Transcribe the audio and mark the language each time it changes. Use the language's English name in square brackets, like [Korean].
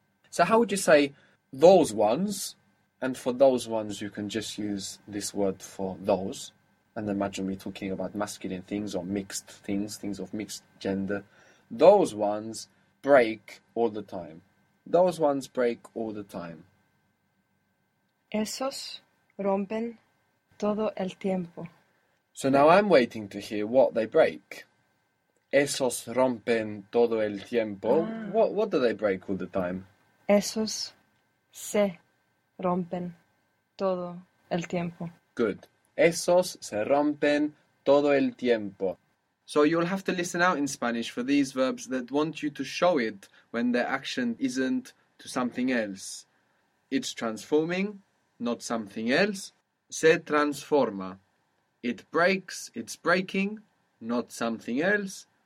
[English] So how would you say those ones? And for those ones, you can just use this word for those. And imagine we're talking about masculine things or mixed things, things of mixed gender. Those ones break all the time. Those ones break all the time. [Spanish] Esos rompen todo el tiempo. [English] So now I'm waiting to hear what they break. [Spanish] Esos rompen todo el tiempo. [English] What do they break all the time? [Spanish] Esos se rompen todo el tiempo. [English] Good. [Spanish] Esos se rompen todo el tiempo. [English] So you'll have to listen out in Spanish for these verbs that want you to show it when their action isn't to something else. It's transforming, not something else. [Spanish] Se transforma. [English] It breaks, it's breaking, not something else.